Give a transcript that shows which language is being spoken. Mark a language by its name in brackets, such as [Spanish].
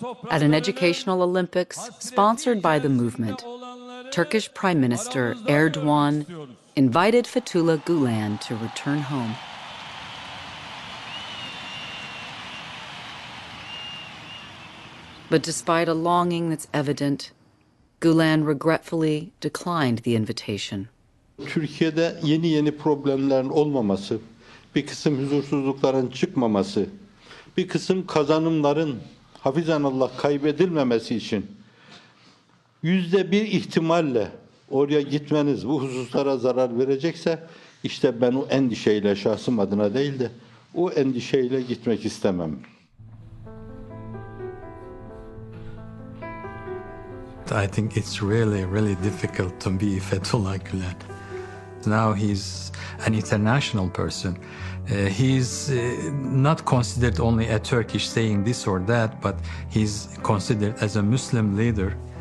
[English] At an educational Olympics sponsored by the movement, Turkish Prime Minister Erdogan invited Fethullah Gulen to return home. But despite a longing that's evident, Gulen regretfully declined the invitation. [Turkish] Türkiye'de yeni yeni problemlerin olmaması, bir kısım huzursuzlukların çıkmaması, bir kısım kazanımların hafizanallah kaybedilmemesi için %1 ihtimalle oraya gitmeniz bu hususlara zarar verecekse, işte ben o endişeyle şahsım adına değil de o endişeyle gitmek istemem. [English] I think it's really, really difficult to be Fethullah Gulen. Now he's an international person. He's not considered only a Turkish saying this or that, but he's considered as a Muslim leader.